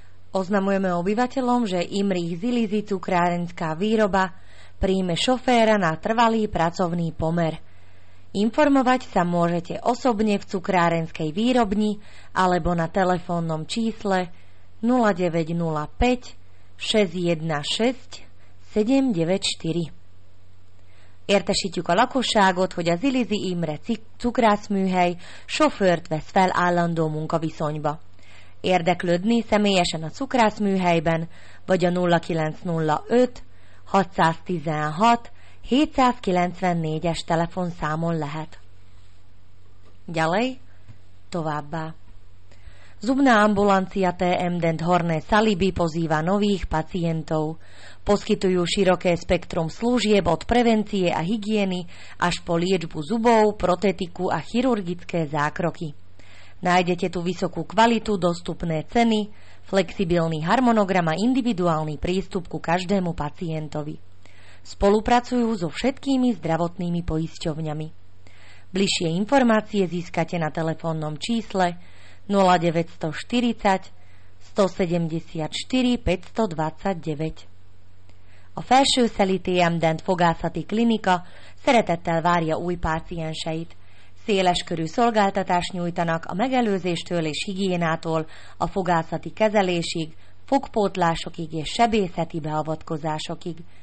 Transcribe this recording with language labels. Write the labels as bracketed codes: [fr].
[sk] Oznamujeme obyvateľom, že Imrich Zilizitu krárenská výroba príjme šoféra na trvalý pracovný pomer. Informovať sa môžete osobne v cukrárenskej výrobni alebo na telefónnom čísle 0905 616 794. [hu] Értesítjük a lakosságot, hogy az Ilizi Imre cukrászműhely sofőrt vesz fel állandó munkaviszonyba. Érdeklődni személyesen a cukrászműhelyben vagy a 0905 616 794-es telefonszámon lehet. Gyalej, továbbá. [sk] Zubná ambulancia TM Dent Horné Saliby pozýva nových pacientov. Poskytujú široké spektrum služieb od prevencie a hygieny až po liečbu zubov, protetiku a chirurgické zákroky. Nájdete tu vysokú kvalitu, dostupné ceny, flexibilný harmonogram a individuálny prístup ku každému pacientovi. Spolupracujú so všetkými zdravotnými poisťovňami. Bližšie informácie získate na telefónnom čísle 0940 174 529. [hu] A felsőszeli TM Dent fogászati klinika szeretettel várja új pácienseit. Széleskörű szolgáltatást nyújtanak a megelőzéstől és higiénától a fogászati kezelésig, fogpótlásokig és sebészeti beavatkozásokig.